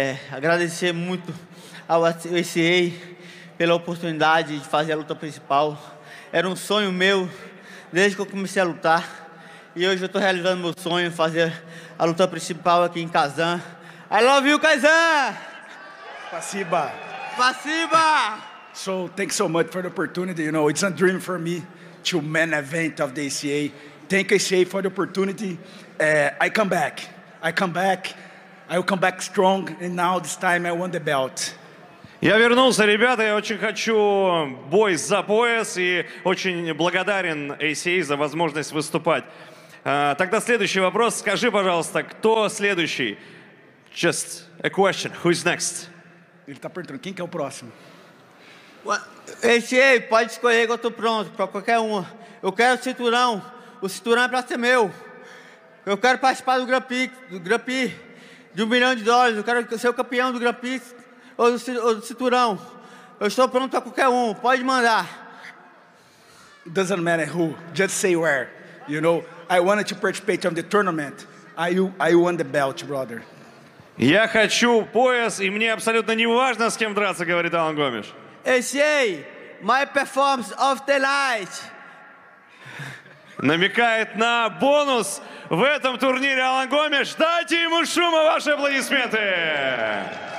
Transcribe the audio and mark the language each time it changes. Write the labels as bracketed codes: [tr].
[pt] agradecer muito ao SA pela oportunidade de fazer a luta principal. Era um sonho meu desde que eu comecei a lutar. E hoje eu estou realizando meu sonho, fazer a luta principal aqui em Kazan. [en] I love you, Kazan! [ru] Спасибо. Спасибо! [en] So, thank you so much for the opportunity. You know, it's a dream for me to main event of the ACA. Thank you, ACA, for the opportunity. I come back. I come back. I will come back strong. And now, this time, I won the belt. [ru] Я вернулся, ребята, я очень хочу бой за пояс и очень благодарен ACA за возможность выступать. Тогда следующий вопрос. Скажи, пожалуйста, кто следующий? [en] Just a question. Who's next? [pt] Ele está perguntando, quem que é o próximo? ACA, pode escolher que eu estou pronto para qualquer um. Eu quero o cinturão. O cinturão é para ser meu. Eu quero participar do Grand Prix, de $1 million. Eu quero ser o campeão do Grand Prix. Cinturão. Eu estou pronto para qualquer um. Pode mandar. [en] Doesn't matter who. Just say where. You know, I wanted to participate in the tournament. I won the belt, brother. [ru] Я хочу пояс, и мне абсолютно не важно, с кем драться, говорит Алан Гомеш. [en] ACA, my performance of the night. [ru] Намекает на бонус в этом турнире Алан Гомеш. Дайте ему шума, ваши аплодисменты!